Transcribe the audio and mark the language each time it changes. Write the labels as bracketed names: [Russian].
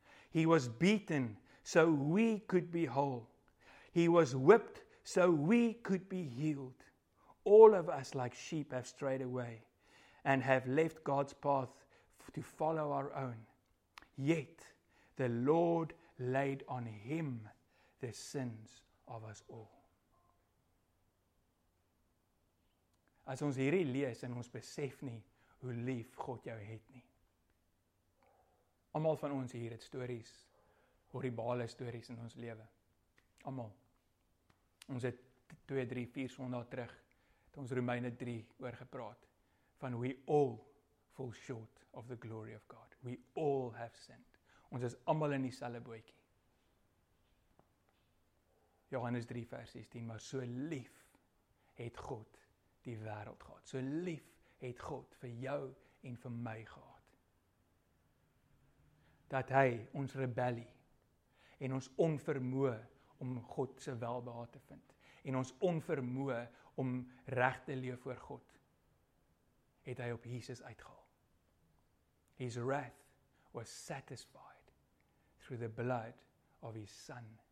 [English] He was beaten so we could be whole. He was whipped so we could be healed. All of us like sheep have strayed away and have left God's path to follow our own. Yet the Lord laid on him the sins of us all. [Afrikaans] As ons hierdie lees en ons besef nie hoe lief God jou het nie. Almal van ons hier het stories, horribale stories in ons lewe. Almal. Ons het 2, 3, 4 Sondae terug het ons Romeine 3 oor gepraat, van [English] we all fall short of the glory of God. We all have sinned. [Afrikaans] Ons is allemaal in die selle bootjie. Johannes 3 vers 16, maar so lief het God die wêreld gehad. So lief het God vir jou en vir my gehad. Dat hy ons rebellie en ons onvermoë om God se welbehaag te vind en ons onvermoë om reg te leef voor God het hy op Jesus uitgehaal. [English] His wrath was satisfied through the blood of his son.